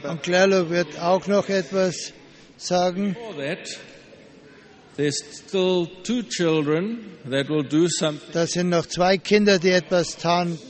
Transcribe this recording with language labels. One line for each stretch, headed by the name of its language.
English: but
German: Uncle Ello wird auch noch etwas sagen.
English: Before that, there's still two children that will do something.
German: Da sind noch zwei Kinder, die etwas tun.